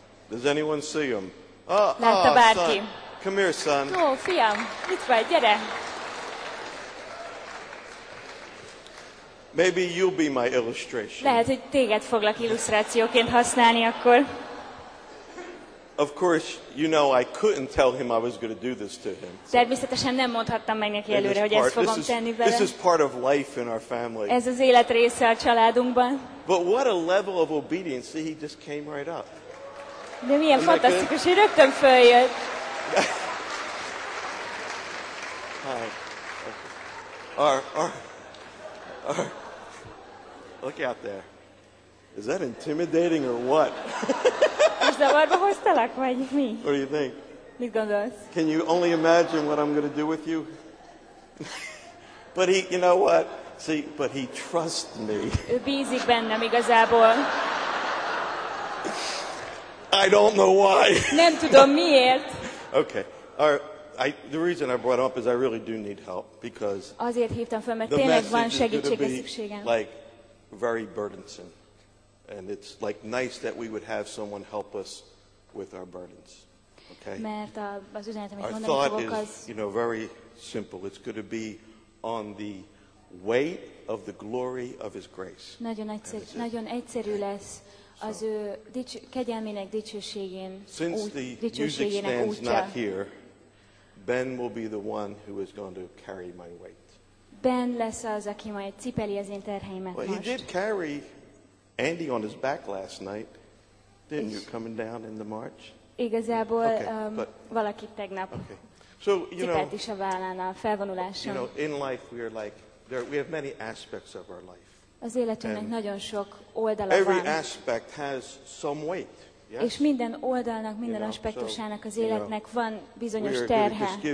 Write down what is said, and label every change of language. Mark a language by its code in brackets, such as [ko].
[en] Does anyone see him? [hu] Látta bárki? [en] Come here, son. [hu] Ó, fiam, itt vagy, gyere. [en] Maybe you'll be my illustration. [hu] Lehet, hogy téged foglak illusztrációként használni akkor. [en] Of course, you know I couldn't tell him I was going to do this to him. [hu] Természetesen nem mondhattam meg neki előre, hogy ezt fogom tenni vele. [en] This is part of life in our family. [hu] Ez az élet része a családunkban. [en] But what a level of obedience! See, he just came right up. [hu] De milyen fantasztikus, hogy rögtön följött. [en] Hi. Look out there. Is that intimidating or what? [hu] Zavarba hoztalak, vagy mi? [en] What do you think? [hu] Mit gondolsz? [en] Can you only imagine what I'm going to do with you? But he, you know what? See, but he trusts me. [hu] Ő bízik bennem igazából. [en] I don't know why. [hu] Nem tudom miért. [en] Okay. All right. The reason I brought up is I really do need help because [hu] azért hívtam fel, mert tényleg van segítségre szükségem. [en] Like very burdensome, and it's like nice that we would have someone help us with our burdens. Okay. [hu] Mert az üzenet, amit [en] our thought [hu] fogok, [en] is, you know, very simple. It's going to be on the weight of the glory of His grace. [hu] Nagyon egyszerű lesz. Az ő kegyelmének dicsőségén. [en] Since the music stand's not here, Ben will be the one who is going to carry my weight. [hu] Ben lesz az, aki majd cipeli az én terheimet most. [en] Well, he did carry Andy on his back last night, didn't you, coming down in the march? [hu] Igazából valaki tegnap. [en] Okay. So, you know, [hu] cipelt is a vállán a felvonuláson. [en] You know, in life we are like, we have many aspects of our life. [hu] Az életünknek nagyon sok oldala van. [en] Every aspect has some weight. Yes. [hu] És minden oldalnak, minden aspektusának az életnek van bizonyos terhe.